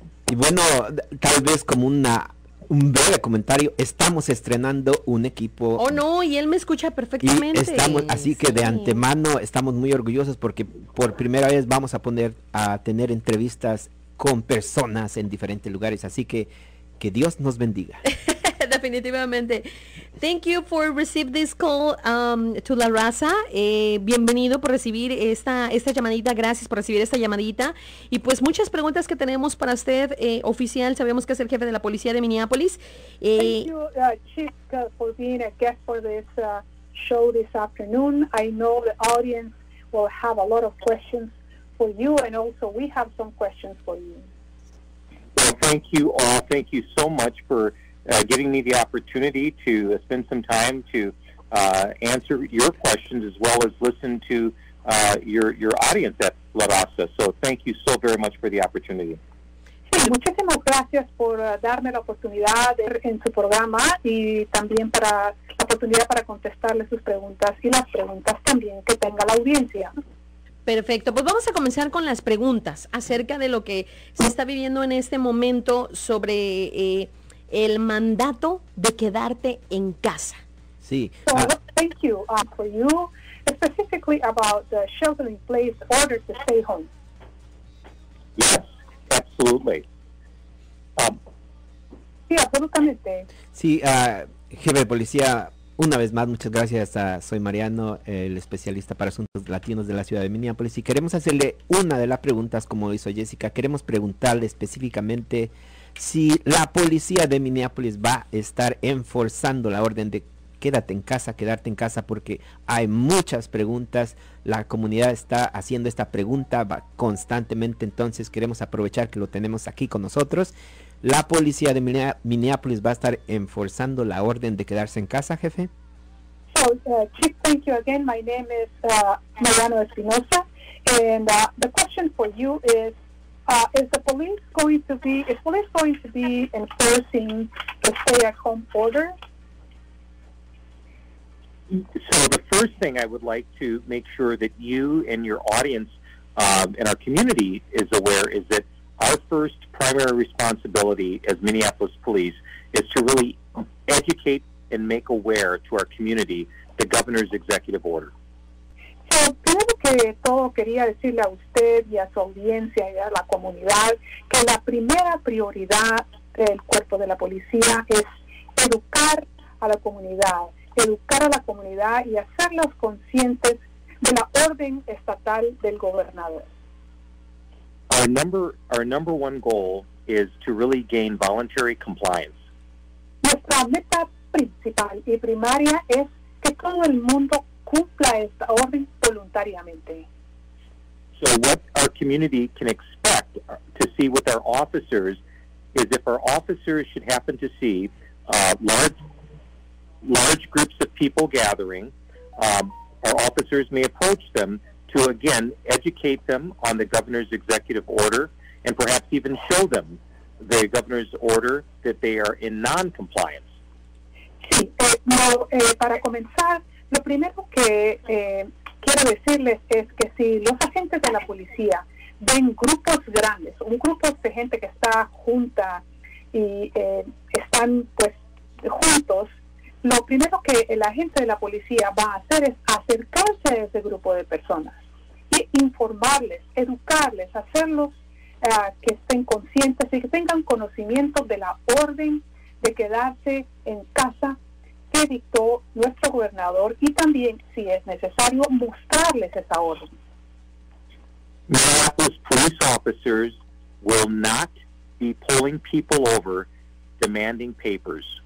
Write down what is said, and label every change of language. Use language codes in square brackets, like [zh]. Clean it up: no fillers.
[es] Y bueno, tal vez como un breve comentario, estamos estrenando un equipo. Oh, no, y él me escucha perfectamente. De antemano estamos muy orgullosos porque por primera vez vamos a tener entrevistas con personas en diferentes lugares. Así que Dios nos bendiga. Definitivamente. [en] Thank you for receive this call to La Raza. [es] Bienvenido por recibir esta llamadita. Gracias por recibir esta llamadita. Y pues muchas preguntas que tenemos para usted, oficial. Sabemos que es el jefe de la policía de Minneapolis. [en] Thank you, Chief, for being a guest for this show this afternoon. I know the audience will have a lot of questions for you, and also we have some questions for you. Well, thank you all. Thank you so much for giving me the opportunity to spend some time to answer your questions, as well as listen to your audience at La Raza. So thank you so very much for the opportunity. [es] Sí, muchísimas gracias por darme la oportunidad de ir en su programa, y también para la oportunidad para contestarle sus preguntas y las preguntas también que tenga la audiencia. Perfecto, pues vamos a comenzar con las preguntas acerca de lo que se está viviendo en este momento sobre el mandato de quedarte en casa. Sí. [en] So I want to thank you for you, specifically about the shelter in place order to stay home. Yes, absolutely. [es] Sí, absolutamente. Sí, jefe de policía, una vez más, muchas gracias. Soy Mariano, el especialista para asuntos latinos de la ciudad de Minneapolis. Y queremos hacerle una de las preguntas, como hizo Jessica. Queremos preguntarle específicamente si la policía de Minneapolis va a estar enforzando la orden de quedarte en casa, porque hay muchas preguntas. La comunidad está haciendo esta pregunta constantemente, entonces queremos aprovechar que lo tenemos aquí con nosotros. ¿La policía de Minneapolis va a estar enforzando la orden de quedarse en casa, jefe? [en] Chief, thank you again. My name is Mariano Espinosa. And the question for you is the police going to be, is police going to be enforcing the stay-at-home order? So the first thing I would like to make sure that you and your audience and our community is aware, is that our first primary responsibility as Minneapolis Police is to really educate and make aware to our community the governor's executive order. [es] So, primero que todo, quería decirle a usted y a su audiencia y a la comunidad que la primera prioridad del cuerpo de la policía es educar a la comunidad, educar a la comunidad y hacerlos conscientes de la orden estatal del gobernador. [en] Our number one goal is to really gain voluntary compliance. [es] Nuestra meta principal y primaria es que todo el mundo cumpla esta orden voluntariamente. [en] So what our community can expect to see with our officers is if our officers should happen to see large groups of people gathering, our officers may approach them to, again, educate them on the governor's executive order and perhaps even show them the governor's order that they are in non-compliance. [es] Sí, para comenzar, lo primero que quiero decirles es que si los agentes de la policía ven grupos grandes, un grupo de gente que está junta y están pues juntos, lo primero que el agente de la policía va a hacer es acercarse a ese grupo de personas y informarles, educarles, hacerlos que estén conscientes y que tengan conocimiento de la orden de quedarse en casa que dictó nuestro gobernador y también, si es necesario, mostrarles esa orden. [en] Minneapolis police officers will not be pulling people over demanding papers.